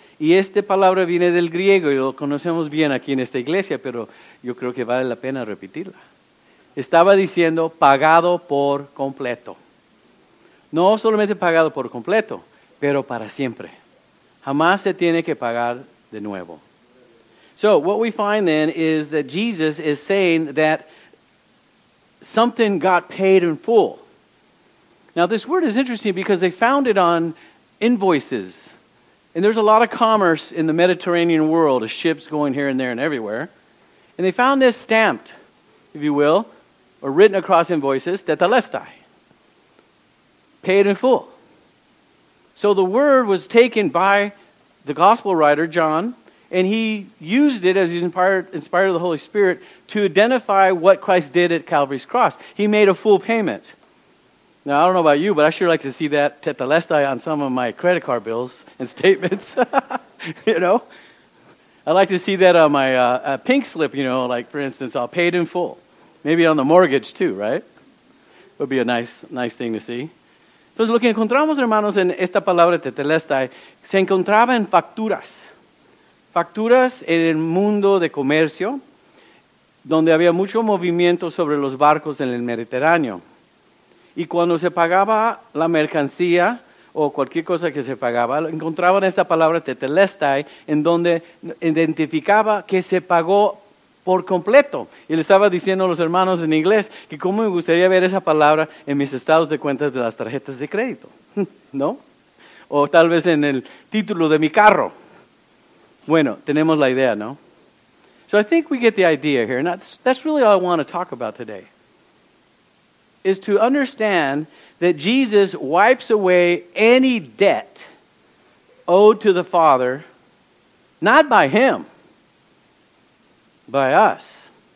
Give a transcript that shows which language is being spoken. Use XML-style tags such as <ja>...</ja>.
<es>Y esta palabra viene del griego y lo conocemos bien aquí en esta iglesia, pero yo creo que vale la pena repetirla. Estaba diciendo, pagado por completo. No solamente pagado por completo, pero para siempre. Jamás se tiene que pagar de nuevo.</es> <en>So what we find then is that Jesus is saying that something got paid in full. Now this word is interesting because they found it on invoices. And there's a lot of commerce in the Mediterranean world, ships going here and there and everywhere. And they found this stamped, if you will, or written across invoices, tetelestai, paid in full. So the word was taken by the gospel writer, John, and he used it as he's inspired of the Holy Spirit to identify what Christ did at Calvary's cross. He made a full payment. Now, I don't know about you, but I sure like to see that tetelestai on some of my credit card bills and statements, you know. I like to see that on my pink slip, you know, like, for instance, I'll pay it in full. Maybe on the mortgage, too, right? Would be a nice thing to see.</en> <es>Entonces, lo que encontramos, hermanos, en esta palabra tetelestai, se encontraba en facturas. Facturas en el mundo de comercio, donde había mucho movimiento sobre los barcos en el Mediterráneo. Y cuando se pagaba la mercancía o cualquier cosa que se pagaba, encontraban esta palabra tetelestai, en donde identificaba que se pagó por completo. Y le estaba diciendo a los hermanos en inglés que cómo me gustaría ver esa palabra en mis estados de cuentas de las tarjetas de crédito, ¿no? O tal vez en el título de mi carro. Bueno, tenemos la idea, ¿no?</es> <en>So I think we get the idea here. And that's really all I want to talk about today, is to understand that Jesus wipes away any debt owed to the Father, not by him, by us.</en>